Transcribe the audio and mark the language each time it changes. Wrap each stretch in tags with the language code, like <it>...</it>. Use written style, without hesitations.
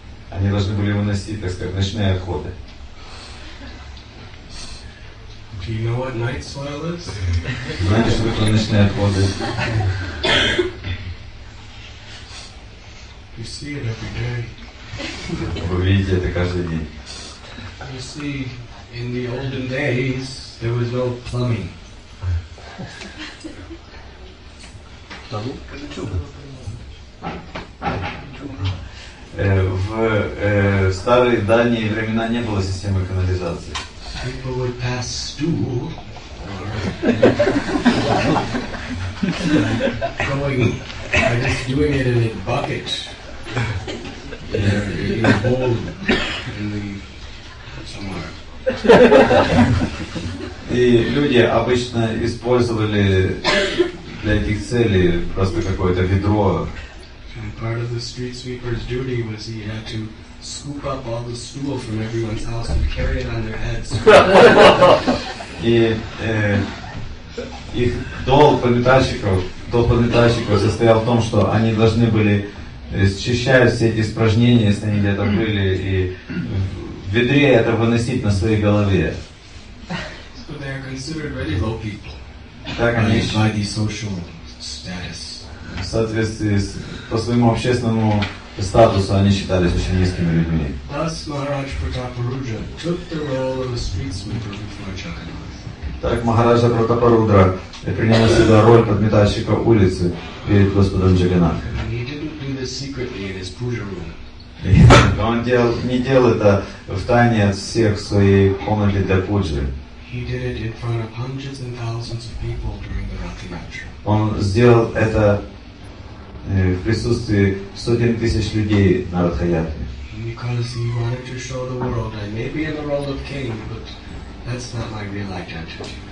<ru>Они должны были выносить, так сказать, ночные отходы.</ru> <en>Do you know what night soil is?</en> <ru>Знаете, что такое ночные отходы?</ru> <en>You see it every day.</en> <ru>Вы видите это каждый день.</ru> <en>You see, in the olden days, there was no plumbing.</en> <ru>В старые дальние времена не было системы канализации.</ru> <en>People would pass stool. Going, I just doing it in a bucket. In a bowl in the somewhere.</en> <ru>И люди обычно использовали для этих целей просто какое-то ведро.</ru> <en>And part of the street sweeper's duty was he had to scoop up all the stool from everyone's house and carry it on their heads.</en> <ru>И их долг подметальщиков состоял в том, что они должны были счищать все эти испражнения, если они где-то были, и в ведре это выносить на своей голове.</ru> <en>So they are considered really low people.</en> <ru>Так они считают</ru> <en>social status.</en> <ru>В соответствии с, по своему общественному статусу они считались очень низкими людьми.</ru> <en>Thus, Maharaj Pratapa-Rudra took the role of a street sweeper before Jagannath.</en> <ru>Так Махараджа Пратапа-Рудра принял на себя роль подметальщика улицы перед Господом Джаганнатхом.</ru> <en>He didn't do this secretly in his puja room.</en> <ru>Он не делал это в тайне от всех в своей комнате для пуджи.</ru> <en>He did it in front of hundreds and thousands of people during the Rathi Yatra.</en> <ru>Он сделал это в присутствии сотен тысяч людей на Радхаятре.</ru> <en>Because he wanted to show the world I may be in the role of king, but that's not my real identity.</en>